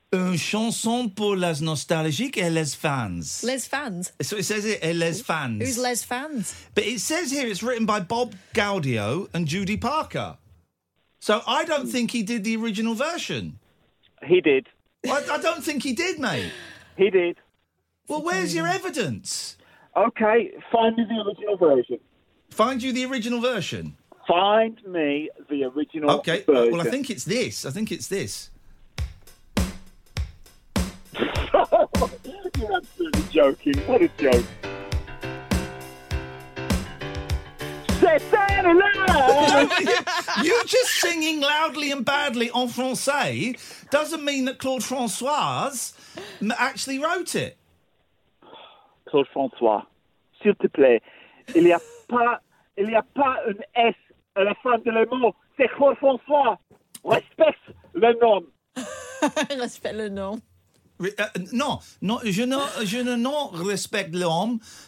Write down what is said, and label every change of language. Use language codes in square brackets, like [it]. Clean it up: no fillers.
[fr] Une chanson pour les nostalgiques et les fans. Les fans? [en] So it says it, [fr] et les fans. [en] Who's les fans? But it says here it's written by Bob Gaudio and Judy Parker. So I don't think he did the original version. He did. I don't think he did, mate. He did. Well, where's your evidence? Okay, find me the original version. Find you the original version? Find me the original version. Okay, well, I think it's this. I think it's this. You're absolutely joking. What a joke. You just singing loudly and badly en français doesn't mean that Claude Francois actually wrote it. [fr] Claude Francois, s'il te plaît, il y a pas un S à la fin de le mot. C'est Claude Francois. Respecte le nom. Respecte le nom. Non, je ne respecte l'homme.